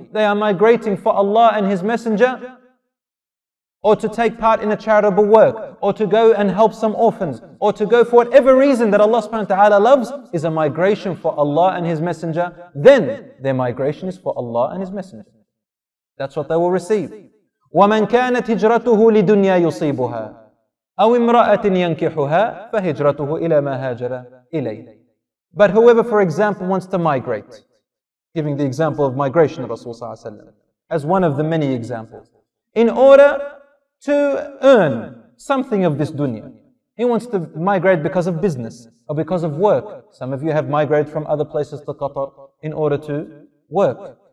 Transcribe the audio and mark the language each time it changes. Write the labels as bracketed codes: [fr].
[en] They are migrating for Allah and His Messenger, or to take part in a charitable work, or to go and help some orphans, or to go for whatever reason that Allah subhanahu wa ta'ala loves is a migration for Allah and His Messenger. Then their migration is for Allah and His Messenger. That's what they will receive. [ar] وَمَنْ كَانَتْ هِجْرَتُهُ لِدُنْيَا يُصِيبُهَا أو امرأة ينكحها فهجرته إلى ما هاجر إليه. [en] But whoever, for example, wants to migrate, giving the example of migration of Rasul صلى الله عليه وسلم as one of the many examples, in order to earn something of this dunya. He wants to migrate because of business or because of work. Some of you have migrated from other places to Qatar in order to work.